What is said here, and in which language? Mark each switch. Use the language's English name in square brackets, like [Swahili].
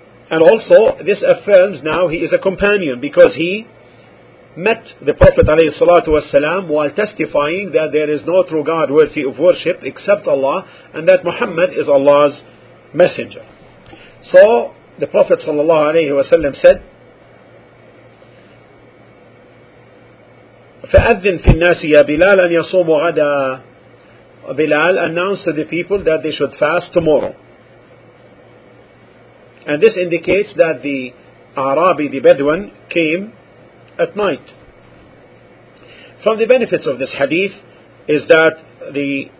[English] And also, this affirms now he is a companion, because he met the Prophet alayhi salatu wasalam while testifying that there is no true God worthy of worship except Allah, and that Muhammad is Allah's messenger. So, the Prophet sallallahu alayhi wasalam said, [Arabic] فَأَذِّنْ فِي النَّاسِ يَا بِلَالَ أَنْ يَصُومُ غَدَى. [English] Bilal announced to the people that they should fast tomorrow. And this indicates that the Arabi, the Bedouin, came at night. From the benefits of this hadith is that the